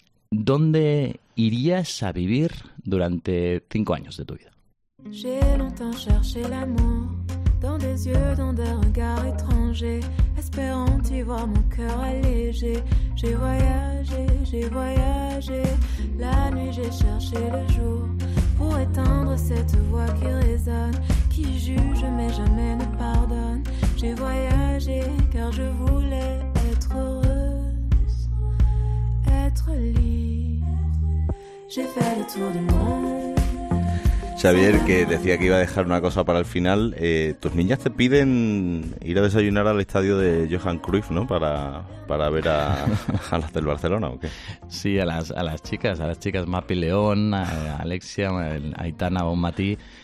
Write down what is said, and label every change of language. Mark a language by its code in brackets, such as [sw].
[es] ¿Dónde irías a vivir durante 5 años de tu vida? [fr] J'ai longtemps cherché l'amour dans des yeux, dans des regards étrangers, espérant y voir mon cœur allégé. J'ai voyagé, la nuit j'ai cherché le jour pour éteindre cette voix qui résonne, qui juge mais jamais ne pardonne. J'ai voyagé car je voulais être heureuse, être libre. J'ai fait le tour du monde. [es] Xavier, que decía que iba a dejar una cosa para el final, tus niñas te piden ir a desayunar al estadio de Johan Cruyff, ¿no? Para ver a las del Barcelona, ¿o qué? Sí, a las chicas Mapi León, a Alexia, a Aitana o Mati.